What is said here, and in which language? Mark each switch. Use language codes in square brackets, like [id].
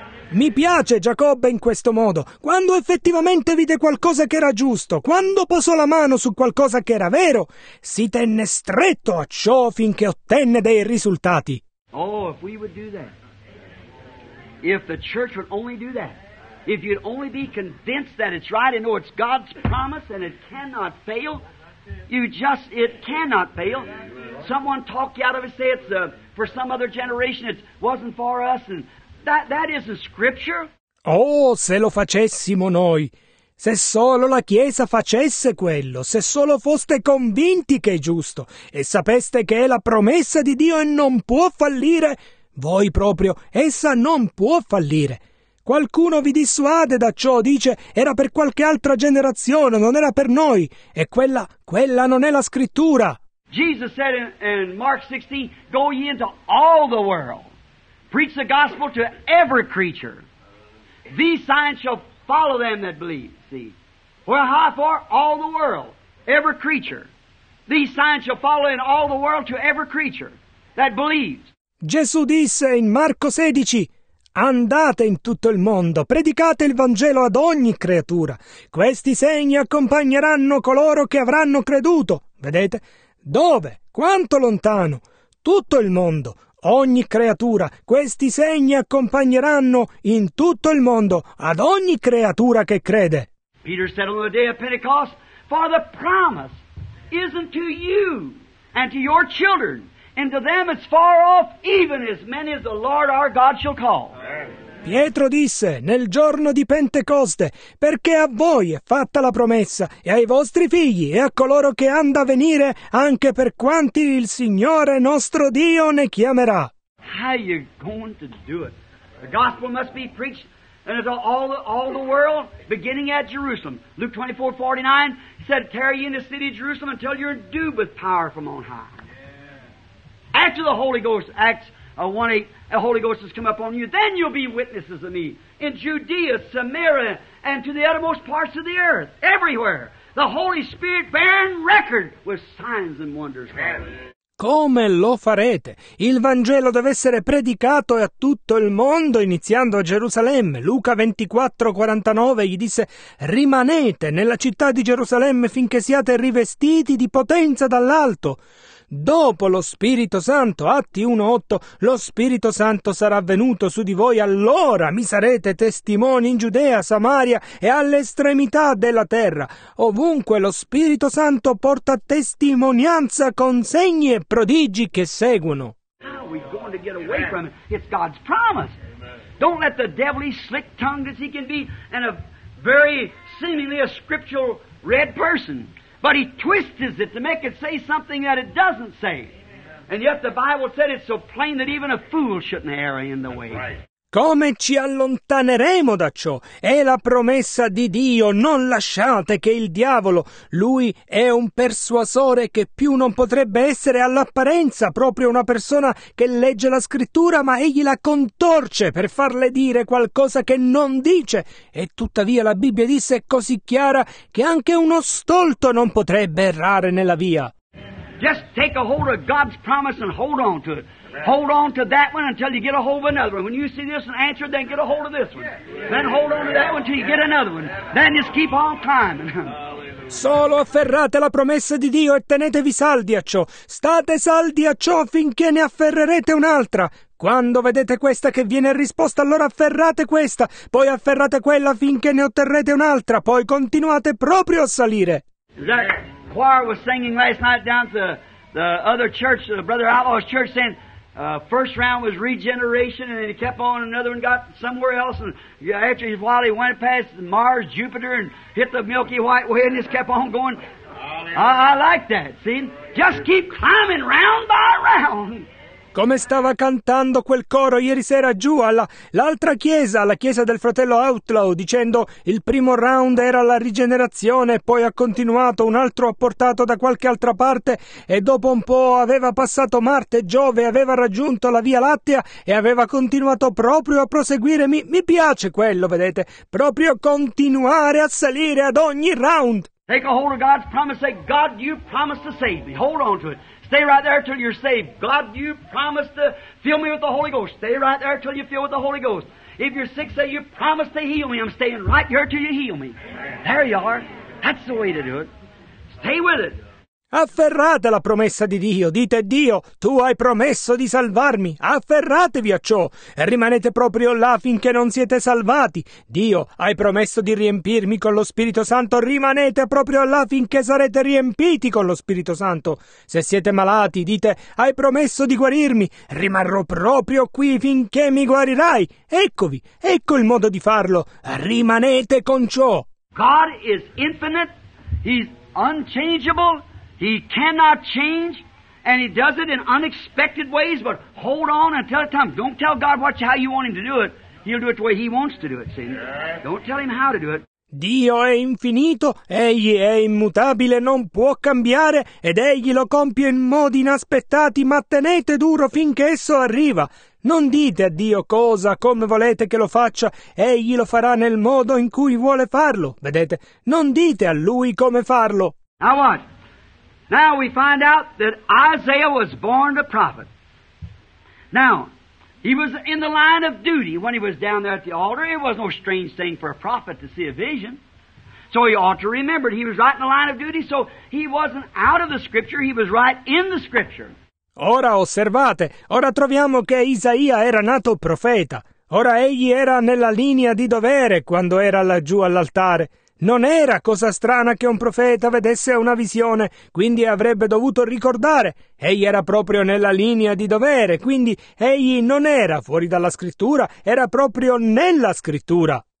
[it] Mi piace Giacobbe in questo modo. Quando effettivamente vide qualcosa che era giusto, quando posò la mano su qualcosa che era vero, si tenne stretto a ciò finché ottenne dei risultati. [en] Oh, if we would do that. If the church would only do that. If you'd only be convinced that it's right and know it's God's promise and it cannot fail. It cannot fail. Someone talked you out of it, say it's for some other generation, it wasn't for us, and that isn't scripture. [it] Oh, se lo facessimo noi, se solo la Chiesa facesse quello, se solo foste convinti che è giusto e sapeste che è la promessa di Dio e non può fallire, voi proprio, essa non può fallire. Qualcuno vi dissuade da ciò, dice, era per qualche altra generazione, non era per noi, e quella non è la scrittura. [en] Jesus said in Mark 16, go ye into all the world, preach the gospel to every creature. These signs shall follow them that believe. See, where how far? All the world, every creature. These signs shall follow in all the world to every creature that believes. [it] Gesù disse in Marco 16, andate in tutto il mondo, predicate il Vangelo ad ogni creatura. Questi segni accompagneranno coloro che avranno creduto. Vedete? Dove? Quanto lontano? Tutto il mondo, ogni creatura, questi segni accompagneranno in tutto il mondo ad ogni creatura che crede. [en] Peter said on the day of Pentecost, for the promise isn't to you and to your children. And to them it's far off, even as many as the Lord our God shall call. [it] Pietro disse, nel giorno di Pentecoste, perché a voi è fatta la promessa, e ai vostri figli, e a coloro che hanno da venire, anche per quanti il Signore nostro Dio ne chiamerà. [en] How are you going to do it? The gospel must be preached unto all the world, beginning at Jerusalem. Luke 24:49 said, tarry in the city of Jerusalem until you're endued with power from on high. After the Holy Ghost, Acts 1:8, the Holy Ghost has come upon you, then you'll be witnesses of me in Judea, Samaria, and to the uttermost parts of the earth, everywhere. The Holy Spirit bearing record with signs and wonders. [it] Come lo farete? Il Vangelo deve essere predicato a tutto il mondo, iniziando a Gerusalemme. Luca 24:49 gli disse, rimanete nella città di Gerusalemme finché siate rivestiti di potenza dall'alto. Dopo lo Spirito Santo, Atti 1:8, lo Spirito Santo sarà venuto su di voi, allora mi sarete testimoni in Giudea, Samaria e all'estremità della terra. Ovunque lo Spirito Santo porta testimonianza con segni e prodigi che seguono. [en] How are we going to get away from it? It's God's promise. Don't let the devil be slick tongued as he can be and a very seemingly a scriptural read person. But he twists it to make it say something that it doesn't say. And yet the Bible said it's so plain that even a fool shouldn't err in the way. [it] Come ci allontaneremo da ciò? È la promessa di Dio, non lasciate che il diavolo, lui è un persuasore che più non potrebbe essere all'apparenza proprio una persona che legge la scrittura, ma egli la contorce per farle dire qualcosa che non dice. E tuttavia la Bibbia disse così chiara che anche uno stolto non potrebbe errare nella via. [en] Just take a hold of God's promise and hold on to it. Hold on to that one until you get a hold of another one. When you see this one answered, then get a hold of this one. Then hold on to that one until you get another one. Then just keep on climbing. [it] Solo afferrate la promessa di Dio e tenetevi saldi a ciò. State saldi a ciò finché ne afferrerete un'altra. Quando vedete questa che viene risposta, allora afferrate questa. Poi afferrate quella finché ne otterrete un'altra. Poi continuate proprio a salire. [en] That choir was singing last night down at the other church, the Brother Outlaw's church, saying, first round was regeneration, and then he kept on, another one got somewhere else, and after a while he went past Mars, Jupiter, and hit the Milky White Way, and just kept on going. I like that, see? Just keep climbing round by round. [it] Come stava cantando quel coro ieri sera giù all'altra chiesa, alla chiesa del fratello Outlaw, dicendo il primo round era la rigenerazione, poi ha continuato, un altro ha portato da qualche altra parte e dopo un po' aveva passato Marte, Giove, aveva raggiunto la Via Lattea e aveva continuato proprio a proseguire. Mi piace quello, vedete, proprio continuare a salire ad ogni round. [en] Take a hold of God's promise, say, God, you promised to save me. Hold on to it. Stay right there till you're saved. God, you promised to fill me with the Holy Ghost. Stay right there till you're filled with the Holy Ghost. If you're sick, say, you promised to heal me. I'm staying right here till you heal me. There you are. That's the way to do it. Stay with it. [it] Afferrate la promessa di Dio, dite Dio, tu hai promesso di salvarmi, afferratevi a ciò e rimanete proprio là finché non siete salvati. Dio, hai promesso di riempirmi con lo Spirito Santo, rimanete proprio là finché sarete riempiti con lo Spirito Santo. Se siete malati, dite, hai promesso di guarirmi, rimarrò proprio qui finché mi guarirai. Eccovi, ecco il modo di farlo, rimanete con ciò. [en] God is infinite, He's unchangeable. He cannot change, and He does it in unexpected ways, but hold on until it comes. Don't tell God how you want Him to do it. He'll do it the way He wants to do it, see? Don't tell Him how to do it. [it] Dio è infinito, Egli è immutabile, non può cambiare, ed Egli lo compie in modi inaspettati, ma tenete duro finché esso arriva. Non dite a Dio cosa, come volete che lo faccia, Egli lo farà nel modo in cui vuole farlo, vedete? Non dite a Lui come farlo. [en] Now what? Now we find out that Isaiah was born a prophet. Now, he was in the line of duty when he was down there at the altar. It was no strange thing for a prophet to see a vision. So he ought to remember it. He was right in the line of duty, so he wasn't out of the Scripture. He was right in the Scripture. [it] Ora osservate, ora troviamo che Isaia era nato profeta. Ora egli era nella linea di dovere quando era laggiù all'altare. Non era cosa strana che un profeta vedesse una visione, quindi avrebbe dovuto ricordare. Egli era proprio nella linea di dovere, quindi egli non era fuori dalla scrittura, era proprio nella scrittura.